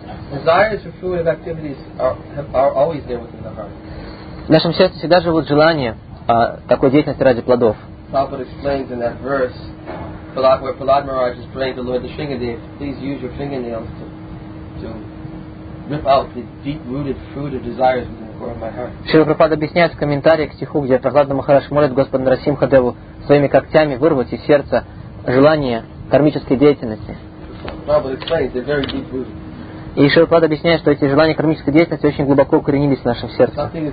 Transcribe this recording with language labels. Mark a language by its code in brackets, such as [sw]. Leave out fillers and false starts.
[en] Desires or foolish activities are always there within the heart. [ru] В нашем сердце всегда живут желания такой деятельности ради плодов. [en] Prabhupada explains in that verse where Prahlad Maharaj is praying to Lord Shringadev, please use your fingernails to rip out the deep-rooted fruit of desires within the core of my heart. [ru] Шрила Прабхупада объясняет в комментарии к стиху, где Прахлада Махарадж молит Господа Нарасимхадеву своими когтями вырвать из сердца желание кармической деятельности. [en] Prabhupada explains they're very deep-rooted. [ru] И Шрила Прабхупада объясняет, что эти желания кармической деятельности очень глубоко укоренились в нашем сердце.